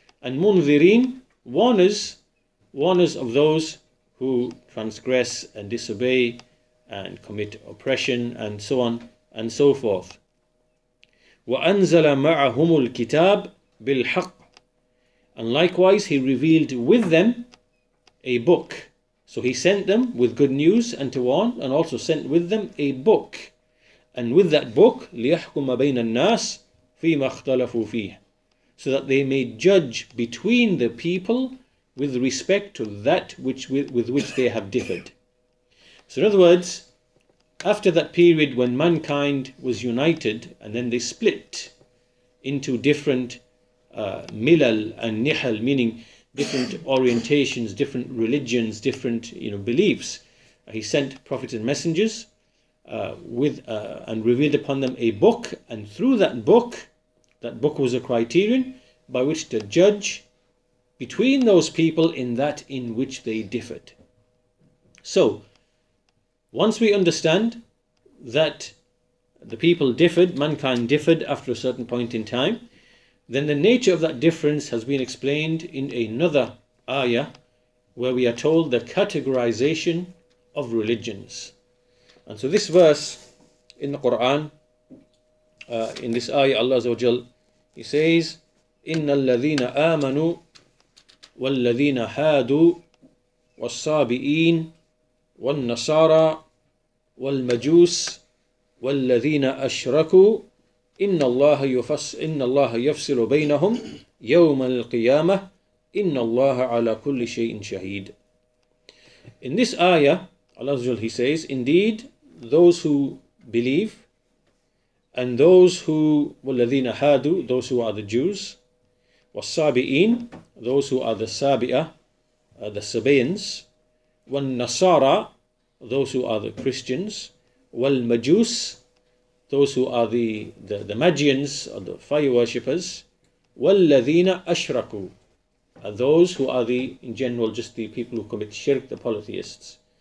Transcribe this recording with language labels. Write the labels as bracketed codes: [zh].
[en] And Munzirin, warners of those who transgress and disobey and commit oppression and so on and so forth. [ar] وَأَنْزَلَ مَعَهُمُ الْكِتَابِ بِالْحَقِّ. [en] And likewise, He revealed with them a book. So He sent them with good news and to warn, and also sent with them a book. And with that book, [ar] لِيَحْكُمَ بَيْنَ النَّاسِ فِيمَا اخْتَلَفُوا فِيهِ. [en] So that they may judge between the people with respect to that which with which they have differed. So in other words, after that period when mankind was united and then they split into different milal and nihal, meaning different orientations, different religions, different, you know, beliefs, He sent prophets and messengers and revealed upon them a book. And through that book was a criterion by which to judge between those people in that in which they differed. So, once we understand that the people differed, mankind differed after a certain point in time, then the nature of that difference has been explained in another ayah where we are told the categorization of religions. And so this verse in the Quran, in this ayah, Allah Azza wa Jal, He says, [ar] إِنَّ الَّذِينَ آمَنُوا وَالَّذِينَ هَادُوا وَالصَّابِئِينَ وَالنَّصَارَى والمجوس والذين أشركوا إن الله يفصل بينهم يوم القيامة إن الله على كل شيء شهيد. [en] In this ayah, Allah Azza wa Jal, He says, indeed, those who believe and those who [ar] والذين هادوا, [en] those who are the Jews, والصابئين, those who are the Sabi'ah, the Sabaeans, والنصارى, those who are the Christians, wal majus, those who are the Magians or the fire worshippers, wal ladina ashraku, are those who are the, in general, just the people who commit shirk, the polytheists.